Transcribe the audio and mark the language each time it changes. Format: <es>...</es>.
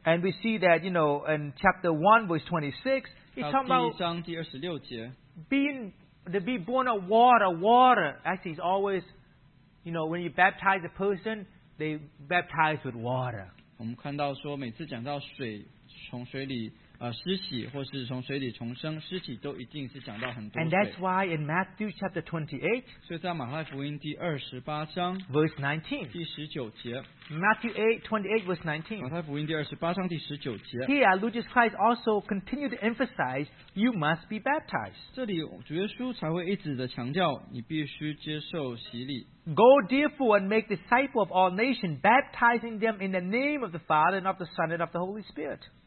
<en>And we see that, you know, in chapter 1, verse 26, it's talking about being, to be born of water, water actually is always, you know, when you baptize a person, they baptize with water.</en> <zh>我们看到说，每次讲到水从水里，施洗，或是从水里重生，施洗都一定是讲到很多水。</zh> <en>And that's why in Matthew chapter 28,</en> <zh>所以在马太福音第28章,</zh> <en>verse 19,</en> <zh>第19节,</zh> <en>Matthew 28 verse 19,</en> <zh>马太福音第28章第19节,</zh> <en>here, Jesus Christ also continued to emphasize, you must be baptized.</en> <zh>这里主耶稣才会一直的强调，你必须接受洗礼。</zh> <en>Go therefore and make disciples of all nations, baptizing them in the name of the Father and of the Son and of the Holy Spirit.</en>